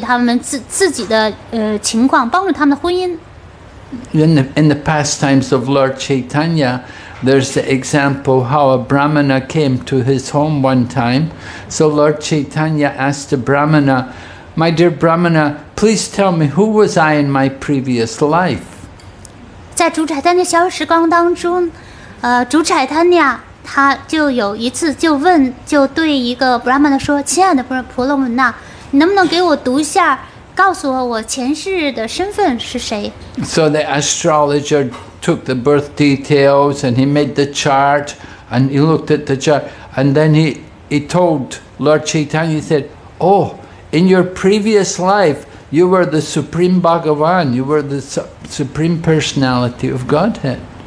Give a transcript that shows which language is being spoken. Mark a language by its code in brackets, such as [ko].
[zh] 所以这个是非常，其实也还是很有效果的，可以帮助人们了解他们自己的情况，帮助他们的婚姻。 [en] In the pastimes of Lord Chaitanya, there's the example how a Brahmana came to his home one time. So Lord Chaitanya asked the Brahmana, "My dear Brahmana, please tell me who was I in my previous life." [zh] 在主宰丹的小时光当中。主柴坦尼亚他就有一次就问，就对一个Brahmana说，亲爱的婆罗门呐，你能不能给我读一下，告诉我我前世的身份是谁？ [en] So the astrologer took the birth details and he made the chart and he looked at the chart and then he told Lord Chaitanya, he said, "Oh, in your previous life, you were the Supreme Bhagavan, you were the Supreme Personality of Godhead."